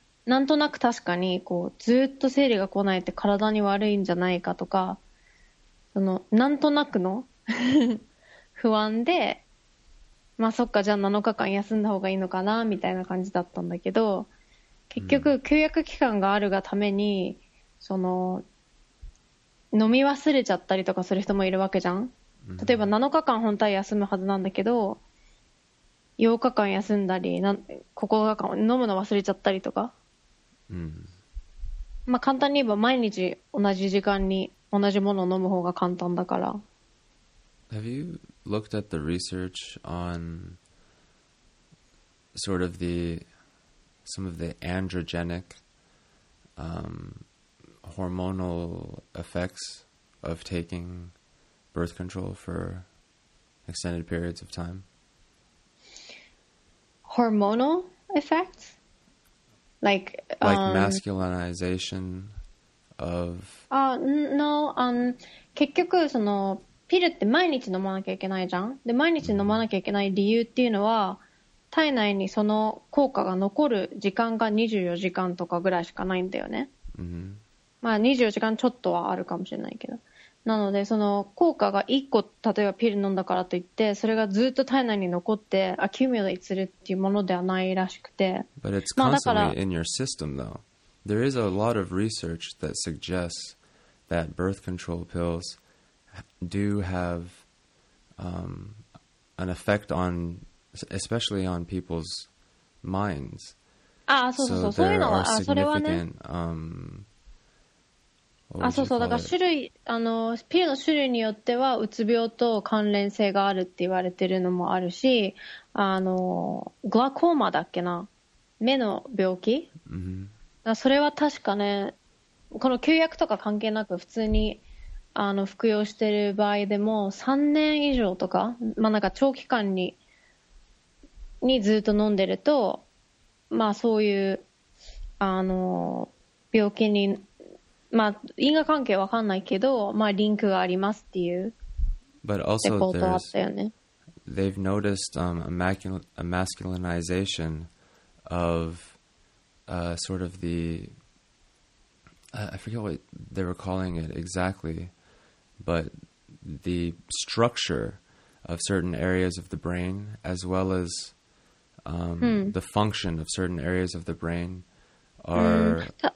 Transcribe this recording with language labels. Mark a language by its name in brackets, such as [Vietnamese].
[Japanese] なんとなく確かにこうずっと生理が来ないって体に悪いんじゃないかとか、そのなんとなくの不安で、まあ、そっか、じゃあ7日間休んだ方がいいのかなみたいな感じだったんだけど、結局休薬期間があるがために、うん、その飲み忘れちゃったりとかする人もいるわけじゃん。例えば7日間本体休むはずなんだけど8日間休んだり、9日間飲むの忘れちゃったりとか、うん、まあ、簡単に言えば毎日同じ時間に同じものを飲む方が簡単だから。 [English] Have you looked at the research on sort of some of the androgenic hormonal effects of taking birth control for extended periods of time? hormonal effects? Like masculinization of... No, [Japanese] 結局そのピルって毎日飲まなきゃいけないじゃん。で、毎日飲まなきゃいけない理由っていうのは、体内にその効果が残る時間が24時間とかぐらいしかないんだよね。まあ24時間ちょっとはあるかもしれないけど。なので、その効果が1個、例えばピル飲んだからといって、それがずっと体内に残って、アキュミュレイトするっていうものではないらしくて。 [English] But it's constantly in your system though. There is a lot of research that suggests that birth control pills do have an effect on, especially on people's minds. Ah, so there are significant, [Japanese] あ、そうそう、だから種類、あの、ピルの種類によっては、うつ病と関連性があるって言われてるのもあるし、あの、グラコーマだっけな、目の病気、 mm-hmm. それは確かね、この休薬とか関係なく、普通にあの服用してる場合でも、3年以上とか、まあ、なんか長期間 にずっと飲んでると、まあそういう、あの、病気に、まあ、因果関係わかんないけど、まあ、リンクがありますっていう。 [English] But also they've noticed a masculinization of sort of the I forget what they were calling it exactly, but the structure of certain areas of the brain as well as the function of certain areas of the brain are